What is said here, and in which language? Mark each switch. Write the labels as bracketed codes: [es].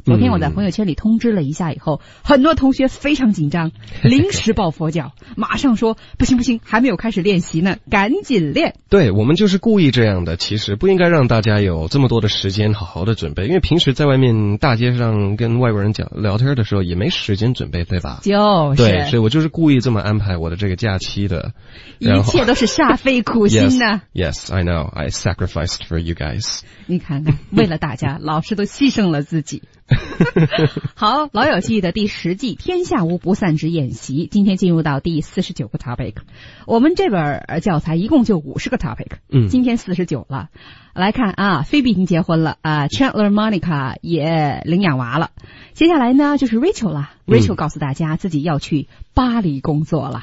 [zh] 昨天我在朋友圈里通知了一下以后、mm. 很多同学非常紧张，临时抱佛脚马上说不行不行，还没有开始练习呢，赶紧练。对，我们就是故意这样的，其实不应该让大家有这么多的时间好好的准备，因为平时在外面大街上跟外国人讲聊天的时候也没时间准备，对吧？就是，对，所以我就是故意这么安排我的这个假期的，一切都是煞费苦心呢。 [en] yes, I know, I sacrificed for you guys. [zh] 你看看，为了大家老师都牺牲了自己。好，老友记的第十季天下无不散之宴席，今天进入到第49个 topic。我们这本教材一共就50个 topic、嗯、今天49了。来看啊，菲比已经结婚了啊， Chandler Monica 也领养娃了，接下来呢就是 Rachel 了、嗯、Rachel 告诉大家自己要去巴黎工作了。